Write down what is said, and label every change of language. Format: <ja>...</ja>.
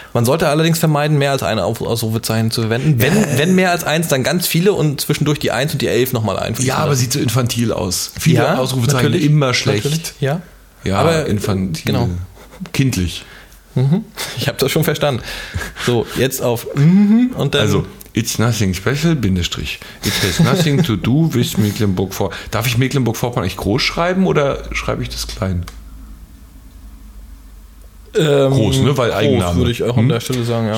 <de>Man sollte allerdings vermeiden, mehr als eine Ausrufezeichen zu verwenden. Wenn, wenn mehr als eins, dann ganz viele und zwischendurch die 1 und die 11 nochmal einfließen. Ja, aber sieht so infantil aus. Viele Ausrufezeichen, natürlich. Immer schlecht. Natürlich. Ja, ja, aber infantil. Genau. Kindlich. Ich habe das schon verstanden. So, jetzt auf und dann.</de> <en>Also, it's nothing special, Bindestrich. It has nothing to do with Mecklenburg-Vorpommern.</en> <de>Darf ich Mecklenburg-Vorpommern eigentlich groß schreiben oder schreibe ich das klein? Groß, ne? Weil Eigenname. Groß, würde ich auch an der Stelle sagen, ja.</de>